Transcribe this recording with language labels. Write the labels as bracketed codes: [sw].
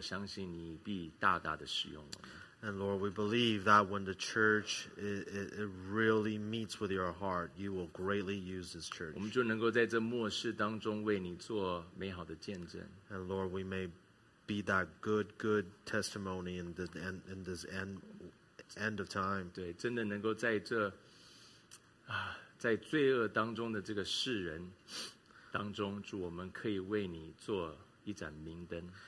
[zh] 主，当我们的生命，当教会的生命合你心意的时候，主，我相信你必大大的使用我们。 [en] And Lord, we believe that when the church it really meets with your heart, you will greatly use this church. And Lord, we may be that good testimony in this end of time. [zh] 对，真的能够在这啊，在罪恶当中的这个世人当中，主，我们可以为你做一盏明灯。